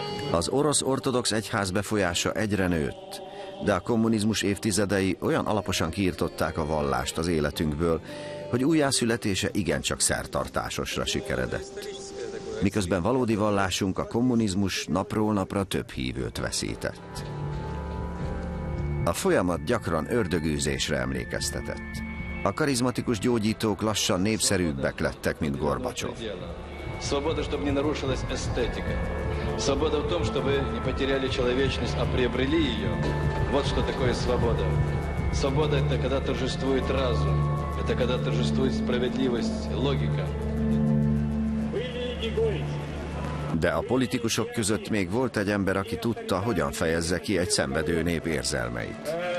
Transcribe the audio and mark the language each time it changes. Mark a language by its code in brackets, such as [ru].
[hu] Az orosz ortodox egyház befolyása egyre nőtt, de a kommunizmus évtizedei olyan alaposan kiirtották a vallást az életünkből, hogy újjászületése igencsak szertartásosra sikeredett. Miközben valódi vallásunk, a kommunizmus napról napra több hívőt veszített. A folyamat gyakran ördögűzésre emlékeztetett. A karizmatikus gyógyítók lassan népszerűbbek lettek, mint Gorbacsov. [ru] Свобода, чтобы не нарушилась эстетика. Свобода в том, чтобы не потеряли человечность, а приобрели ее. Вот что такое свобода. Свобода – это когда торжествует разум. Это когда торжествует справедливость, логика. [hu] De a politikusok között még volt egy ember, aki tudta, hogyan fejezze ki egy szenvedő nép érzelmeit.